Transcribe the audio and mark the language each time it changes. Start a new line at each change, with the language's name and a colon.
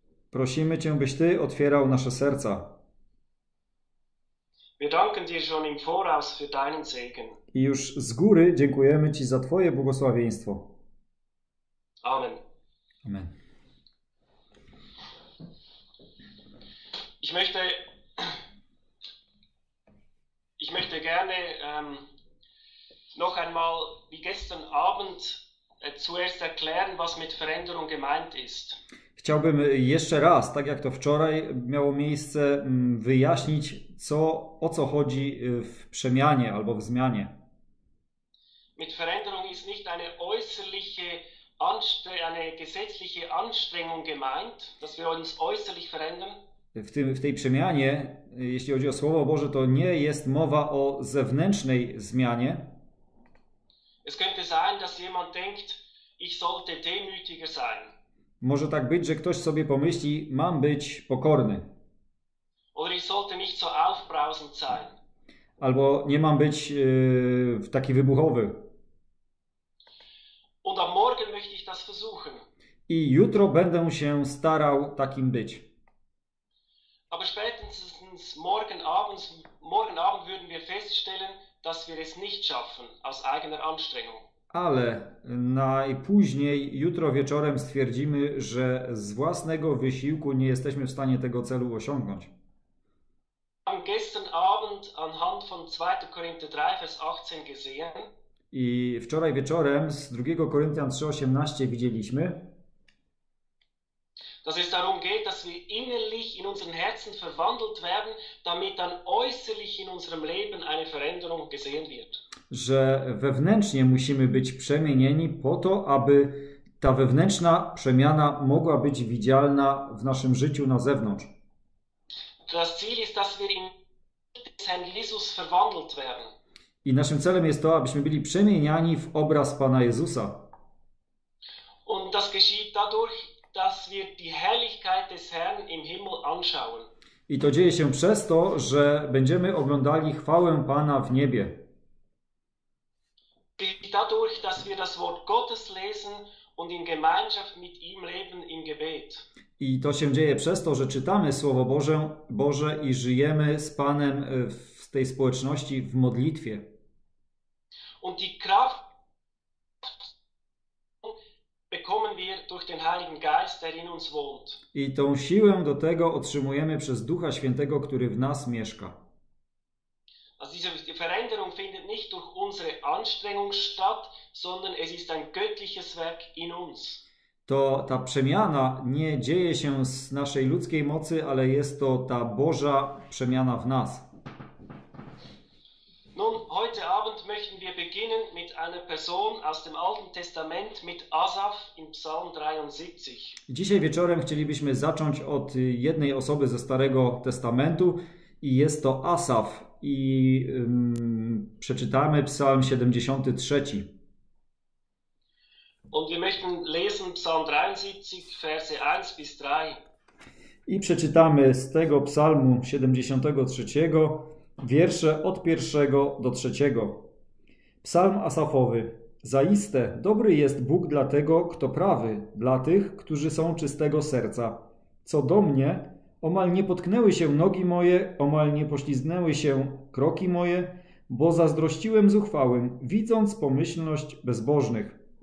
Polish: prosimy Cię, byś Ty otwierał nasze serca.
German: Wir danken dir schon im Voraus für deinen Segen.
Polish: I już z góry dziękujemy Ci za Twoje błogosławieństwo.
German: Amen.
Polish: Amen.
German: Ich möchte gerne noch einmal wie gestern Abend zuerst erklären, was mit Veränderung gemeint ist.
Polish: Chciałbym jeszcze raz, tak jak to wczoraj miało miejsce, wyjaśnić, o co chodzi w przemianie albo w zmianie.
German: Mit Veränderung ist nicht eine äußerliche eine gesetzliche Anstrengung gemeint, dass wir uns äußerlich verändern.
Polish: W tej przemianie, jeśli chodzi o Słowo Boże, to nie jest mowa o zewnętrznej zmianie.
German: Es könnte sein, dass jemand denkt, ich sollte demütiger sein.
Polish: Może tak być, że ktoś sobie pomyśli, mam być pokorny.
German: Oder ich sollte nicht so aufbrausend sein.
Polish: Albo nie mam być taki wybuchowy.
German: Und am morgen möchte ich das versuchen.
Polish: I jutro będę się starał takim być.
German: Aber spätestens morgen Abend würden wir feststellen, dass wir es nicht schaffen, aus eigener Anstrengung.
Polish: Ale najpóźniej jutro wieczorem stwierdzimy, że z własnego wysiłku nie jesteśmy w stanie tego celu osiągnąć.
German: Gestern Abend anhand von 2. Korinther 3, Vers 18 gesehen.
Polish: I wczoraj wieczorem z 2. Koryntian 3:18 widzieliśmy,
German: dass es darum geht, dass wir innerlich in unseren Herzen verwandelt werden, damit dann äußerlich in unserem Leben eine Veränderung gesehen wird.
Polish: Że wewnętrznie musimy być przemienieni po to, aby ta wewnętrzna przemiana mogła być widzialna w naszym życiu na zewnątrz.
German: Das Ziel ist, dass wir in Herrn Jesus verwandelt werden.
Polish: I naszym celem jest to, abyśmy byli przemieniani w obraz Pana Jezusa.
German: Und das geschieht dadurch, dass wir die Herrlichkeit des Herrn im Himmel anschauen.
Polish: I to dzieje się przez to, że będziemy oglądali chwałę Pana w niebie.
German: Dadurch, dass wir das Wort Gottes lesen und in Gemeinschaft mit ihm leben im Gebet.
Polish: I to się dzieje przez to, że czytamy Słowo Boże i żyjemy z Panem w tej społeczności w modlitwie.
German: Und die Kraft bekommen wir durch den Heiligen Geist, der in uns wohnt.
Polish: I tą siłę do tego otrzymujemy przez Ducha Świętego, który w nas mieszka.
German: Also diese Veränderung findet nicht durch unsere Anstrengung statt, sondern es ist ein göttliches Werk in uns.
Polish: To ta przemiana nie dzieje się z naszej ludzkiej mocy, ale jest to ta Boża przemiana w nas.
German: Nun, heute Abend möchten wir beginnen mit einer Person aus dem Alten Testament, mit Asaf in Psalm 73.
Polish: Dzisiaj wieczorem chcielibyśmy zacząć od jednej osoby ze Starego Testamentu i jest to Asaf. I przeczytamy Psalm 73.
German: Und wir möchten lesen Psalm 73, Verse 1 bis 3.
Polish: I przeczytamy z tego Psalmu 73 wiersze od 1 do 3. Psalm Asafowy. Zaiste, dobry jest Bóg dla tego, kto prawy, dla tych, którzy są czystego serca. Co do mnie, omal nie potknęły się nogi moje, omal nie poślizgnęły się kroki moje, bo zazdrościłem zuchwałym, widząc pomyślność bezbożnych.